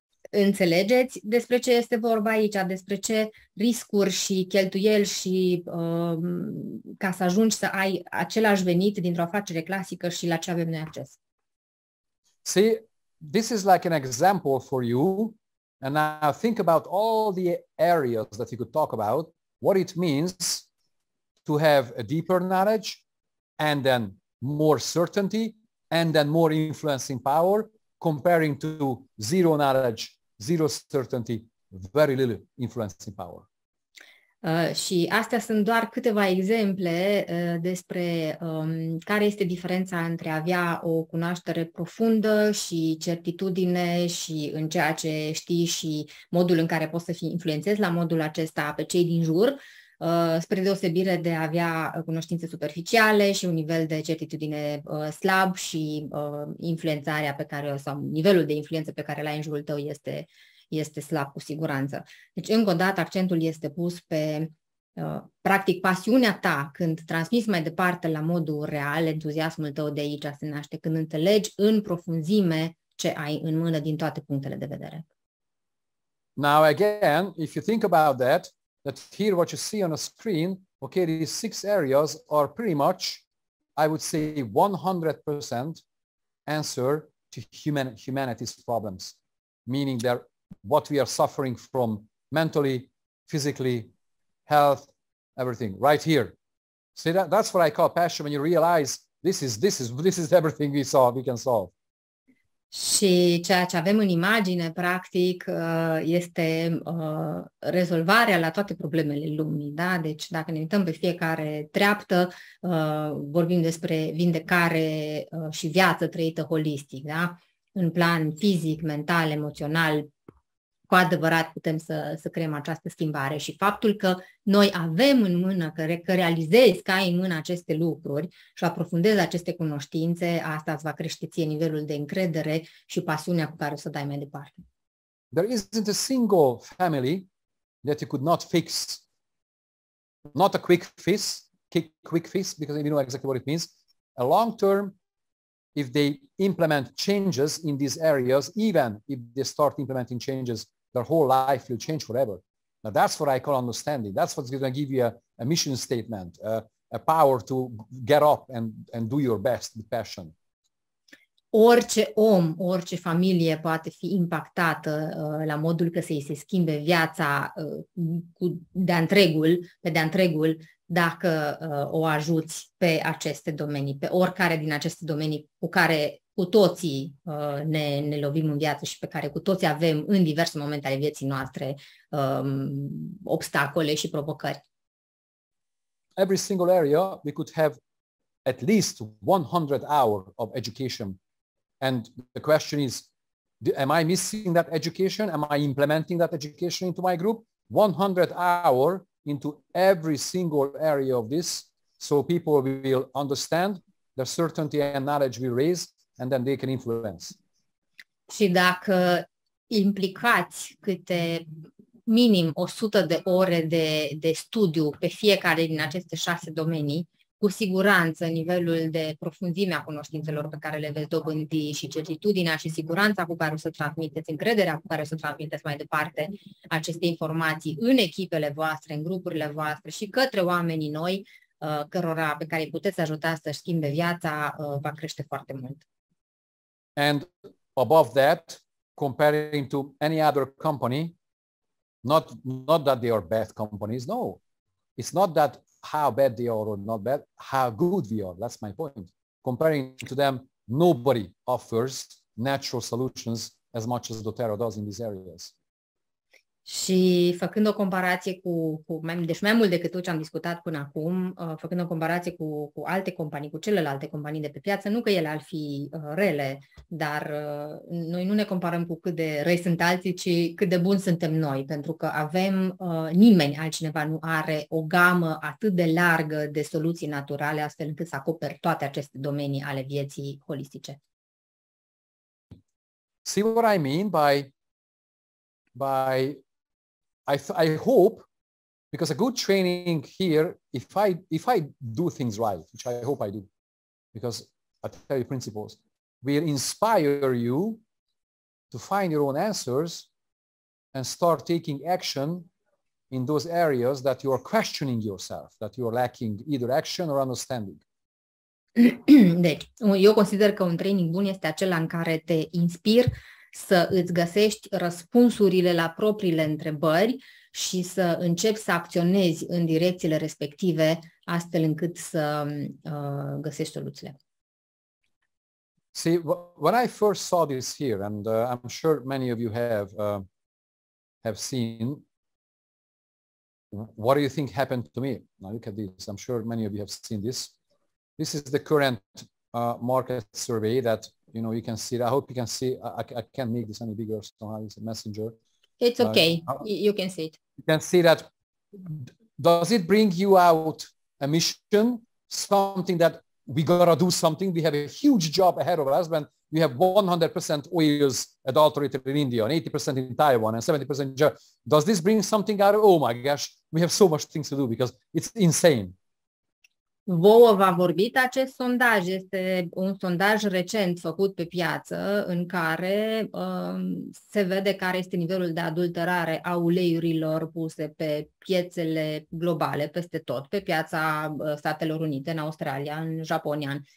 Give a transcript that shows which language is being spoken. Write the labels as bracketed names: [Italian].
[Romanian] Înțelegeți despre ce este vorba aici, despre ce riscuri și cheltuieli și ca să ajungi să ai același venit dintr-o afacere clasică și la ce avem noi acces. [English] See, this is like an example for you, and now think about all the areas that you could talk about, what it means to have a deeper knowledge and then more certainty and then more influencing power comparing to zero knowledge, zero certainty, very little influencing power. [Romanian] Și astea sunt doar câteva exemple despre care este diferența între a avea o cunoaștere profundă și certitudine și în ceea ce știi și modul în care poți să fii influențezi la modul acesta pe cei din jur, spre deosebire de a avea cunoștințe superficiale și un nivel de certitudine slab și influențarea pe care sau nivelul de influență pe care l-ai în jurul tău este slab cu siguranță. Deci, încă o dată, accentul este pus pe, practic, pasiunea ta când transmiți mai departe la modul real, entuziasmul tău de aici se naște, când înțelegi în profunzime ce ai în mână din toate punctele de vedere. [English] Now, again, if you think about that, that here what you see on a screen, okay, these six areas are pretty much, I would say, 100% answer to humanity's problems, meaning that what we are suffering from mentally, physically, health, everything, right here. See, that's what I call passion, when you realize this is everything we can solve. [Romanian] Și ceea ce avem în imagine, practic, este rezolvarea la toate problemele lumii. Da? Deci dacă ne uităm pe fiecare treaptă, vorbim despre vindecare și viață trăită holistic. Da? În plan fizic, mental, emoțional, cu adevărat putem să creăm această schimbare. Și faptul că noi avem în mână, că realizezi că ai în mână aceste lucruri și aprofundezi aceste cunoștințe, asta îți va crește ție nivelul de încredere și pasiunea cu care o să dai mai departe. [English] There isn't a single family that you could not fix. Not a quick fix, because you know exactly what it means. A long term, if they implement changes in these areas, even if they start implementing changes, their whole life will change forever. Now that's what I call understanding. That's what's going to give you a mission statement, a power to get up and do your best with passion. [Romanian] Orice om, orice familie poate fi impactată la modul că să-i se schimbe viața de-a întregul dacă o ajuți pe aceste domenii, pe oricare din aceste domenii cu care cu toții ne lovim în viață și pe care cu toții avem în diverse momente ale vieții noastre obstacole și provocări. [English] Every single area we could have at least 100 hours of education. And the question is, am I missing that education? Am I implementing that education into my group? 100 hours into every single area of this, so people will understand, their certainty and knowledge will raise, and then they can influence. [Romanian] Și dacă implicați câte minim 100 de ore de studiu pe fiecare din aceste șase domenii, cu siguranță nivelul de profunzime a cunoștințelor pe care le veți dobândi și certitudinea și siguranța cu care o să transmiteți, încrederea cu care o să transmiteți mai departe aceste informații în echipele voastre, în grupurile voastre și către oamenii noi cărora pe care îi puteți ajuta să-și schimbe viața, va crește foarte mult. [English] And above that, comparing to any other company, not that they are bad companies, no. It's not that how bad they are or not bad, how good we are. That's my point. Comparing to them, nobody offers natural solutions as much as doTERRA does in these areas. [Romanian] Și făcând o comparație mai mult decât tot ce am discutat până acum, făcând o comparație cu alte companii, cu celelalte companii de pe piață, nu că ele ar fi rele, dar noi nu ne comparăm cu cât de răi sunt alții, ci cât de buni suntem noi, pentru că avem, nimeni altcineva nu are o gamă atât de largă de soluții naturale, astfel încât să acoperi toate aceste domenii ale vieții holistice. [English] See what I mean by I hope, because a good training here, if I do things right, which I hope I do, because I tell you principles, will inspire you to find your own answers and start taking action in those areas that you are questioning yourself, that you are lacking either action or understanding. [Romanian] Deci, eu consider că un training bun este acela în care te inspir să îți găsești răspunsurile la propriile întrebări și să începi să acționezi în direcțiile respective, astfel încât să găsești soluțiile. [English] See, when I first saw this here, and I'm sure many of you have seen, what do you think happened to me? Now look at this, I'm sure many of you have seen this. This is the current market survey that, you know, you can see it. I hope you can see. I can't make this any bigger somehow. It's a messenger. It's okay. You can see it. You can see that. Does it bring you out a mission? Something that we gotta do something. We have a huge job ahead of us. When we have 100% oils adulterated in India and 80% in Taiwan and 70% in Germany. Does this bring something out? Oh my gosh, we have so much things to do because it's insane. [Romanian] Vouă v-a vorbit acest sondaj, este un sondaj recent făcut pe piață în care se vede care este nivelul de adulterare a uleiurilor puse pe piețele globale, peste tot, pe piața Statelor Unite, în Australia, în Japonia.